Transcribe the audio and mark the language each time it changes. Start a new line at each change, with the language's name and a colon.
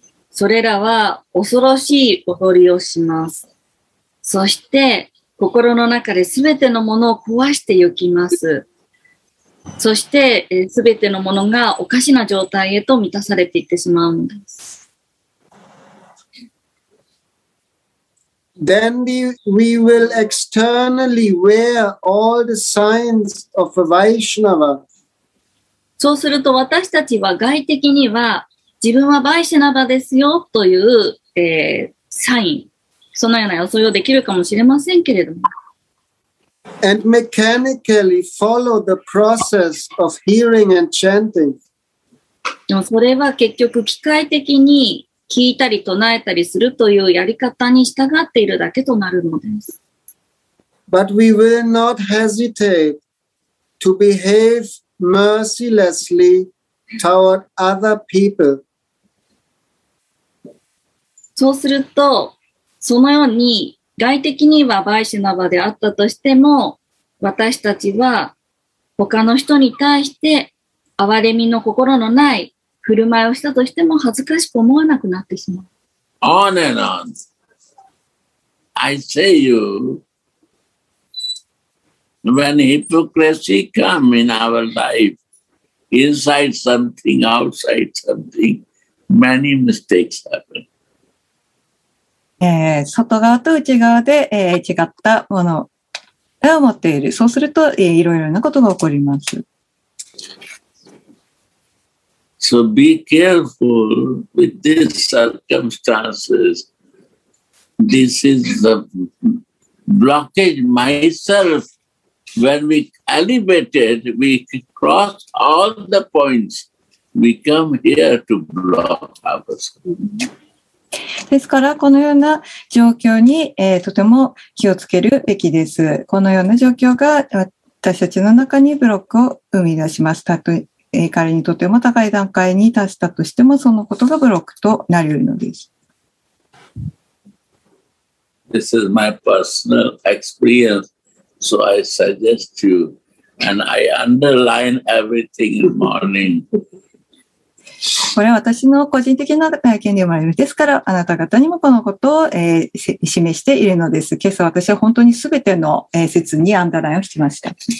Japanese: それらは恐ろしい踊りをします。そして心の中で全てのものを壊してゆきます。そして全てのものがおかしな状態へと満たされていってしまうんです。
English: Then we will externally wear all the signs of a Vaishnava.
Japanese: そうすると私たちは外的には自分はバイシナバですよという、サイン、そのような装いをできるかもしれませんけれども。
English: And mechanically follow the process of hearing and chanting.
Japanese: でもそれは結局機械的に聞いたり唱えたりするというやり方に従っているだけとなるのです。
English: But we will not hesitate to behave mercilessly toward other people.
Japanese: そうすると、そのように外的にはバイシナバであったとしても、私たちは他の人に対して哀れみの心のない振る舞いをしたとしても恥ずかしく思わなくなってしまう。
English: On and on. I say you, when hypocrisy comes in our life, inside something, outside something, many mistakes happen.
Japanese: 外側と内側で、違ったものを持っている。そうすると、いろいろなことが起こります。
English: So be careful with these circumstances. This is the blockage myself. When we elevated, we cross all the points. We come here to block ourselves.
Japanese: ですからこのような状況に、とても気をつけるべきです。このような状況が私たちの中にブロックを生み出します。たとえ、彼にとても高い段階に達したとしてもそのことがブロックとなり得るのです。
English: This is my personal experience, so I suggest you, and I underline everything in the morning.
Japanese: これは私の個人的な体験でもあります。ですから、あなた方にもこのことを、示しているのです。今朝私は本当に全ての、説にアンダーラインをしました。